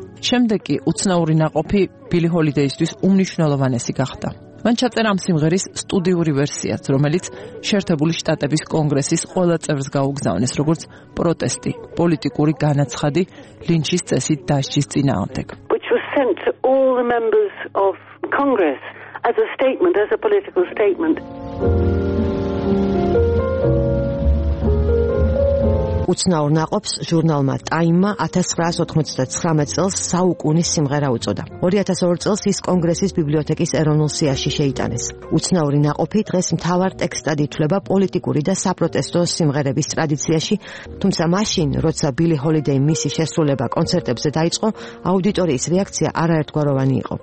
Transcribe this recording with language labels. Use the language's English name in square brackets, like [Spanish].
[Georgian] შემდეგ კი უცნაური ნაყოფი ბილი ჰოლიდეისთვის უმნიშვნელოვანესი გახდა. მან ჩაწერა ამ სიმღერის სტუდიური ვერსიაც, რომელიც შეერთებული შტატების კონგრესის ყველა წევრს გაუგზავნეს, როგორც პროტესტი, პოლიტიკური განაცხადი ლინჩის წესით დასჯის წინააღმდეგ. [English] Which was sent to all the members of Congress as a statement, as a political statement. [Georgian] უცნაურ ნაყოფს ჟურნალმა Time-მა 1999 წელს საუკუნის სიმღერა უწოდა. 2002 წელს ის კონგრესის ბიბლიოთეკის ეროვნულ სიაში შეიტანეს. უცნაური ნაყოფი დღეს მთავარ ტექსტად ითვლება პოლიტიკური და საპროტესტო სიმღერების ტრადიციაში, თუმცა მაშინ, როცა ბილი ჰოლიდეი მისი შესრულება კონცერტებზე დაიწყო, აუდიტორიის რეაქცია არაერთგვაროვანი იყო.